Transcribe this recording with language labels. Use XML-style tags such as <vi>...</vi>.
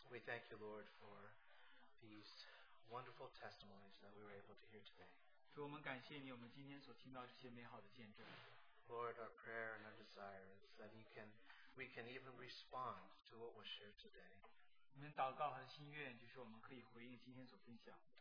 <en>thank you, Lord, for these wonderful testimonies that we were able to hear today.</en> <zh>主, 我们感谢你, 我们今天所听到这些美好的见证。</zh> <en>Lord, our prayer and our desire is that we can even respond to what was shared today.</en> <zh>我们祷告和心愿就是我们可以回应今天所分享。</zh>